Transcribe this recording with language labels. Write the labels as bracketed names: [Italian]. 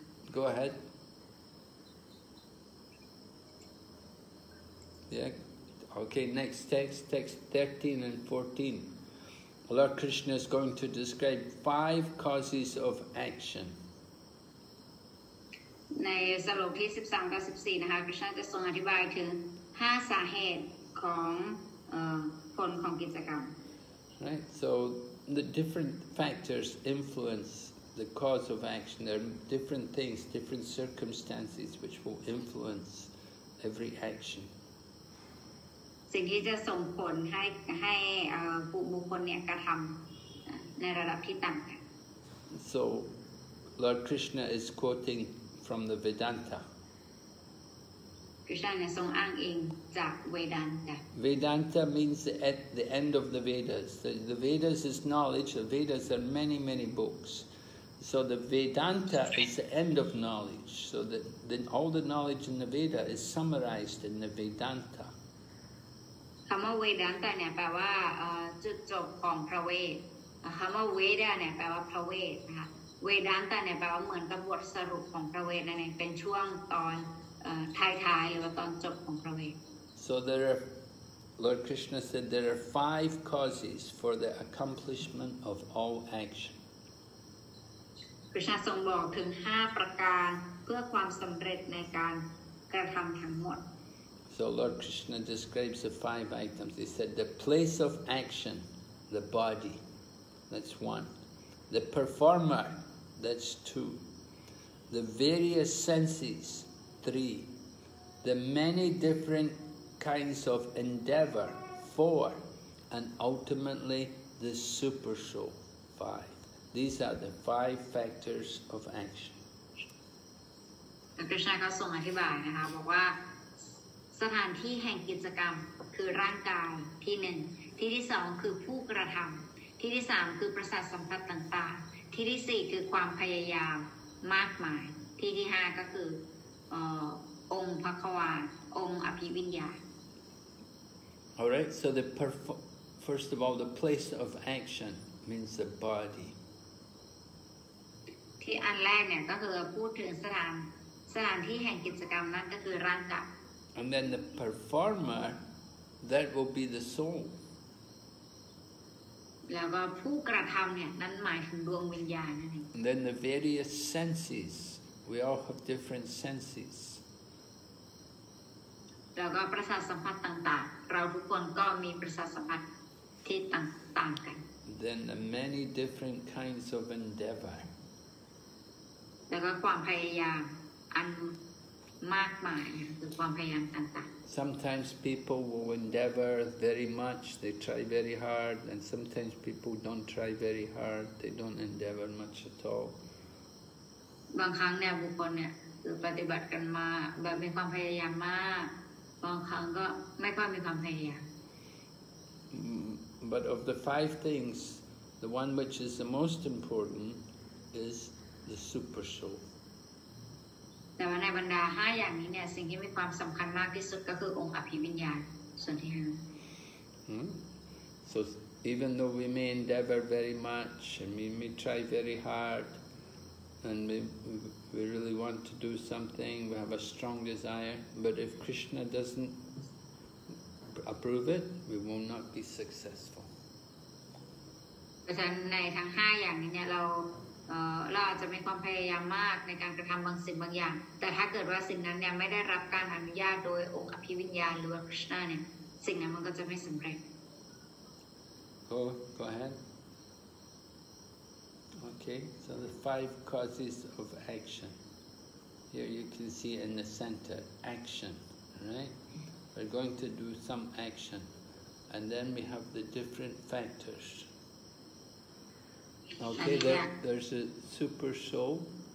[English] Go ahead. Yeah. Okay, next text 13 and 14. Lord Krishna is going to describe five causes of action. [Thai] ในสรุปที่13กับ14นะคะพระท่านจะทรงอธิบายถึง5สาเหตุของผลของกิจกรรม [English] Right, so the different factors influence the cause of action. There are different things, different circumstances which will influence every action. [Thai] สิ่งที่จะส่งผลให้ผู้บุคคลเนี่ยกระทำในระดับที่ต่างกั [English] น So Lord Krishna is quoting from the Vedanta. Krishna is saying in Vedanta. Vedanta means at the end of the Vedas. The Vedas is knowledge. The Vedas are many, many books. So the Vedanta is the end of knowledge. So that the, all the knowledge in the Veda is summarized in the Vedanta. [Thai] คำว่า Vedanta เนี่ยแปลว่าจุดจบของพระเวทคำว่า Veda เนี่ยแปลว่าพระเวทนะคะเวดานตะเนี่ยแปลว่าเหมือนกับบทสรุปของพระเวทนั่นเองเป็นช่วงตอนท้ายๆหรือว่าตอนจบของพระเวท [English] So there are, Lord Krishna said there are five causes for the accomplishment of all action. [Thai] พระชาทรงบอกถึง5ประการเพื่อความสำเร็จในการกระทำทั้งหมด [English] So Lord Krishna describes the five items. He said the place of action, the body, that's one. The performer. That's two. The various senses, three. The many different kinds of endeavor, four. And ultimately, the super soul, five. These are the five factors of action. [Thai] Krishna ก็ส่งอธิบายนะคะบอกว่าสถานที่แห่งกิจกรรมคือร่างกายที่หนึ่งที่ที่สองคือผู้กระทำที่ที่สามคือประสาทสัมผัสต่างๆที่ที่สี่คือความพยายามมากมายที่ที่ห้าก็คือองค์พระกวาองค์อภิวิญญา [English] Alright, so the first of all, the place of action means the body. [Thai] ที่อันแรกเนี่ยก็คือพูดถึงสถานที่แห่งกิจกรรมนั่นก็คือร่างกาย [English] And then the performer, that will be the soul. [Thai] แล้วก็ผู้กระทำเนี่ยนั่นหมายถึงดวงวิญญาณนั่นเอง [English] And then the various senses we all have different senses [Thai] แล้วก็ประสาทสัมผัสต่างๆเราทุกคนก็มีประสาทสัมผัสที่ต่างๆกัน [English] Then the many different kinds of endeavor [Thai] แล้วก็ความพยายามอันมากมายคือความพยายามต่างๆ [English] Sometimes people will endeavor very much, they try very hard, and sometimes people don't try very hard, they don't endeavor much at all. [Thai] บางครั้งเนี่ยบุคคลเนี่ยปฏิบัติกันมาแบบมีความพยายามมากบางครั้งก็ไม่ค่อยมีความพยายาม [English] But of the five things, the one which is the most important is the super soul. [Thai] แต่ว่าในบรรดา5อย่างนี้เนี่ยสิ่งที่มีความสำคัญมากที่สุดก็คือองค์อภิวิญญาณส่วนที่5 [English] So even though we may endeavor very much and we may try very hard and we really want to do something we have a strong desire but if Krishna doesn't approve it we will not be successful [Thai] เพราะฉะนั้นในทั้ง5อย่างนี้เนี่ยเราอาจจะมีความพยายามมากในการกระทำบางสิ่งบางอย่างแต่ถ้าเกิดว่าสิ่งนั้นเนี่ยไม่ได้รับการอนุญาตโดยองค์อภิวิญญาณหรือว่าคริสต์เนี่ยสิ่งนั้นมันก็จะไม่สำเร็จ [English] Go ahead Okay so the five causes of action here you can see in the center action right we're going to do some action and then we have the different factorsOkay, there's a super soul.